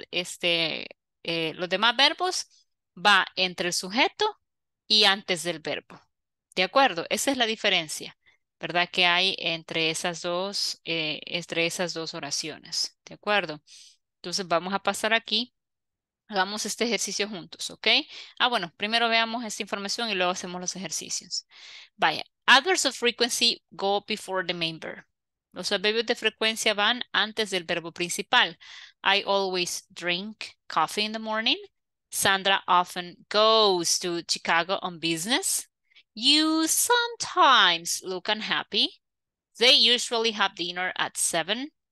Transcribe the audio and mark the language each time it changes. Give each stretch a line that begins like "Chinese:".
Spanish: Los demás verbos va entre el sujeto y antes del verbo. ¿De acuerdo? Esa es la diferencia, ¿verdad? Que hay entre esas dos oraciones. ¿De acuerdo? Entonces vamos a pasar aquí Hagamos este ejercicio juntos, ¿ok? Ah, bueno, primero veamos esta información y luego hacemos los ejercicios.
English: Vaya, adverbs of frequency go before the main verb.
Spanish: Los adverbios de frecuencia van antes del verbo principal.
English: I always drink coffee in the morning. Sandra often goes to Chicago on business. You sometimes look unhappy. They usually have dinner at 7.